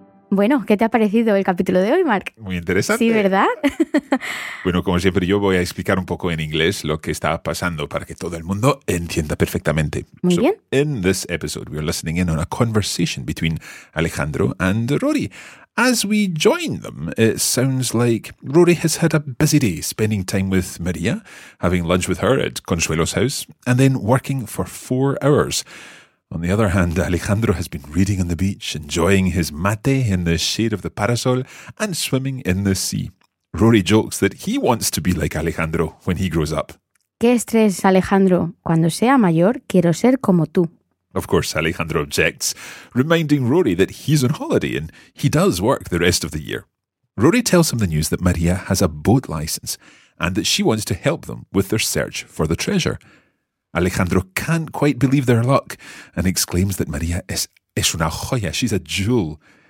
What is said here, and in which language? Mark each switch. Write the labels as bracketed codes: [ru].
[es] Bueno, Bueno, ¿qué te ha parecido el capítulo de hoy, Mark? Muy interesante. Sí, ¿verdad? Bueno, como siempre, yo voy a explicar un poco en inglés lo que está pasando para que todo el mundo entienda perfectamente. Muy bien. [en] In this episode, we are listening in on a conversation between Alejandro and Rory. As we join them, it sounds like Rory has had a busy day spending time with Maria, having lunch with her at Consuelo's house, and then working for 4 hours. On the other hand, Alejandro has been reading on the beach, enjoying his mate in the shade of the parasol, and swimming in the sea. Rory jokes that he wants to be like Alejandro when he grows up. [es] ¡Qué estrés, Alejandro! Cuando sea mayor, quiero ser como tú. [en] Of course, Alejandro objects, reminding Rory that he's on holiday and he does work the rest of the year. Rory tells him the news that Maria has a boat license and that she wants to help them with their search for the treasure. Alejandro can't quite believe their luck and exclaims that Maria is [es] una joya, [en] she's a jewel.